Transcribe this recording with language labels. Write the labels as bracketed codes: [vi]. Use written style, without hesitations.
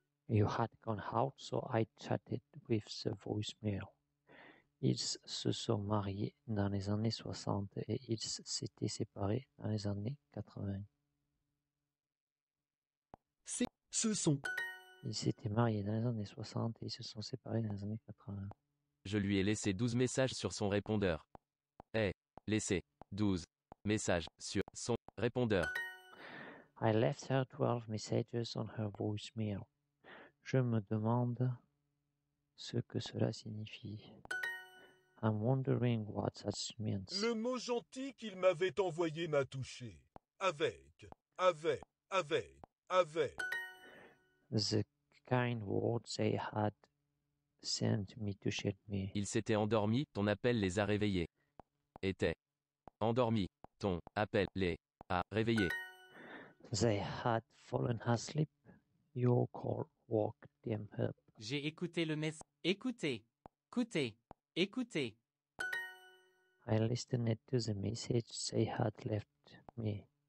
[en] You had gone out, so I chatted with the voicemail. [fr] Ils se sont mariés dans les années 60 et ils s'étaient séparés dans les années 80. C'est ce son. Ils s'étaient mariés dans les années 60 et ils se sont séparés dans les années 80. Je lui ai laissé 12 messages sur son répondeur. Hey, laissé 12 messages sur son répondeur. [en] I left her 12 messages on her voicemail. [fr] Je me demande ce que cela signifie. [en] I'm wondering what that means. [fr] Le mot gentil qu'il m'avait envoyé m'a touché. Avec. [en] The kind words they had sent me touched me. [fr] Il s'était endormi, ton appel les a réveillés. Était endormi, ton appel les a réveillés. [en] They had fallen asleep, your call woke them up. [fr] J'ai écouté le message. Écoutez. [en] I listened to the message they had left me.